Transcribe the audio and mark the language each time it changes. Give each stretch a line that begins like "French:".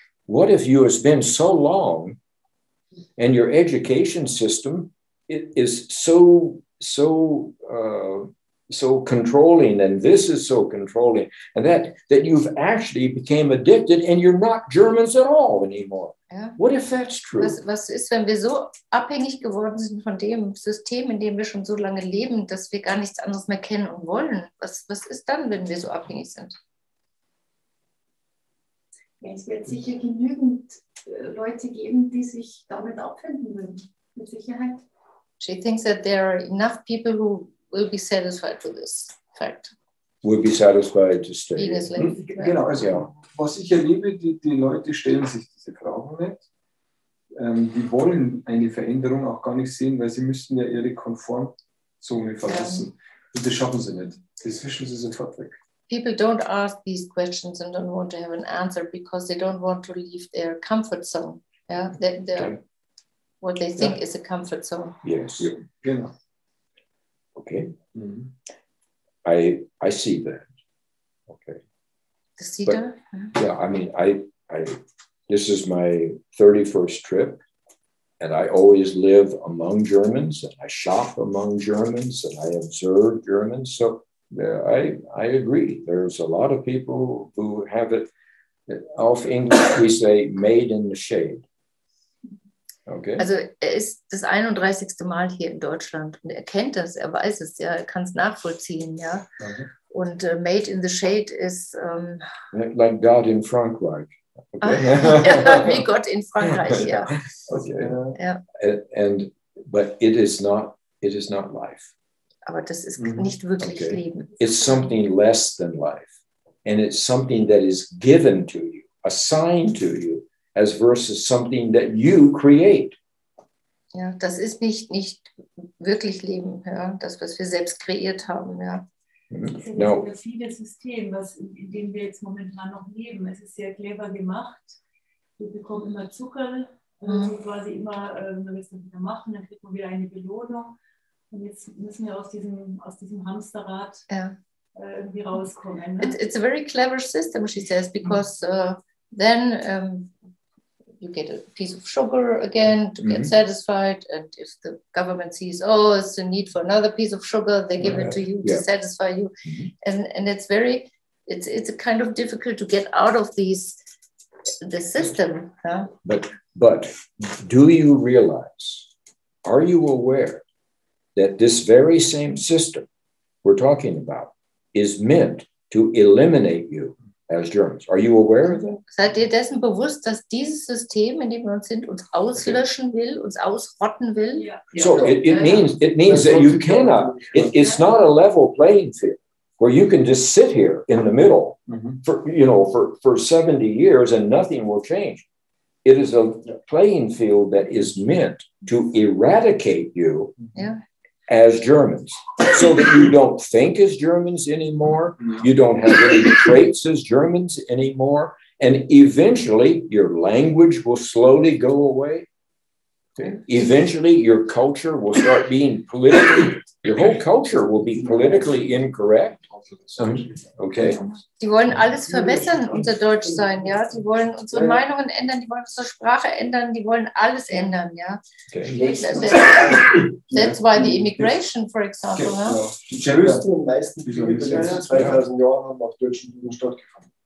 English: What if you have been so long and your education system is so controlling and this is so controlling and that you've actually became addicted and you're not Germans at all anymore?
German: Ja.
English: What if that's true?
German: Was ist, wenn wir so abhängig geworden sind von dem System, in dem wir schon so lange leben, dass wir gar nichts anderes mehr kennen und wollen? Was ist dann, wenn wir so abhängig sind? Es wird sicher genügend Leute geben, die sich damit abfinden würden, mit Sicherheit.
English: She thinks that there are enough people who will be satisfied with this fact. Will be satisfied to stay.
German: Genau, also was ich erlebe, die Leute stellen sich diese Fragen nicht. Die wollen eine Veränderung auch gar nicht sehen, weil sie müssten ja ihre Komfortzone verlassen. Und das schaffen sie nicht. Das wischen sie sofort weg.
English: People don't ask these questions and don't want to have an answer because they don't want to leave their comfort zone. Yeah, what they think is a comfort zone. Yes. Yeah. Okay. Mm-hmm. I see that. Okay. The cedar? But, yeah, I mean, I this is my 31st trip and I always live among Germans and I shop among Germans and I observe Germans. So I agree. There's a lot of people who have it. Auf English, we say made in the shade. Okay.
German: Also er ist das 31. Mal hier in Deutschland und er kennt das, er weiß es, ja, er kann es nachvollziehen, ja.
English: Okay.
German: Und
English: made in the shade
German: ist
English: like God in Frankreich.
German: Okay. Wie Gott in Frankreich, ja.
English: Okay.
German: Ja.
English: But it is not life.
German: Aber das ist nicht wirklich Leben.
English: It's something less than life. And it's something that is given to you, assigned to you, as versus something that you create.
German: Ja, das ist nicht wirklich Leben, ja, das, was wir selbst kreiert haben. Ja. Mm-hmm. Das ist ein perfides System, in dem wir jetzt momentan noch leben. Es ist sehr clever gemacht. Wir bekommen immer Zucker, quasi immer, wenn wir es dann wieder machen, dann kriegt man wieder eine Belohnung.
English: It's a very clever system, she says, because then you get a piece of sugar again to get mm-hmm. satisfied. And if the government sees, oh, it's a need for another piece of sugar, they give it to you to satisfy you. Mm-hmm. And it's very, it's a kind of difficult to get out of the system. Huh? But do you realize, are you aware that this very same system we're talking about is meant to eliminate you as Germans? Are you aware of that?
German: Seid ihr dessen bewusst, dass dieses System, in dem wir uns sind, uns auslöschen will, uns ausrotten will?
English: Yeah. So it means that you cannot, it's not a level playing field where you can just sit here in the middle mm-hmm. for 70 years and nothing will change. It is a playing field that is meant to eradicate you as Germans, so that you don't think as Germans anymore, you don't have any traits as Germans anymore, and eventually your language will slowly go away. Eventually your culture will start being politically, your whole culture will be politically incorrect. Okay.
German: Die wollen alles verbessern, unser Deutsch sein, ja. Die wollen unsere Meinungen ändern, die wollen unsere Sprache ändern, die wollen alles ändern, ja.
English: That's why the immigration, for example. Okay.
German: Die größten und meisten Kriege der letzten 2000 Jahre haben auf deutschen Boden stattgefunden.